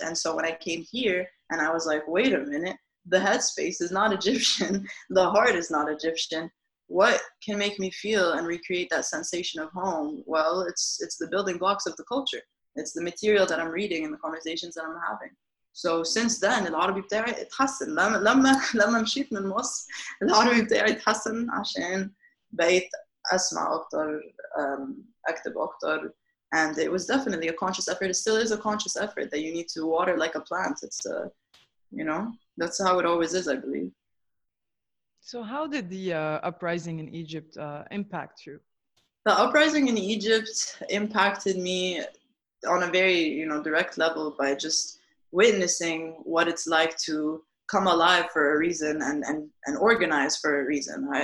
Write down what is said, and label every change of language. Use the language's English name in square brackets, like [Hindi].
[English] And so when I came here and I was like, wait a minute, the headspace is not Egyptian. The heart is not Egyptian. What can make me feel and recreate that sensation of home? Well, it's the building blocks of the culture. It's the material that I'm reading and the conversations that I'm having. So since then, [Arabic] العربي بتاعي اتحسن. لما مشيت من مصر, العربي بتاعي اتحسن عشان بقيت أسمع أكتر, أكتب أكتر. [English] And it was definitely a conscious effort. It still is a conscious effort that you need to water like a plant. It's a, you know, that's how it always is, I believe. So how did the uprising in Egypt impact you? The uprising in Egypt impacted me on a very, you know, direct level by just witnessing what it's like to come alive for a reason and organize for a reason.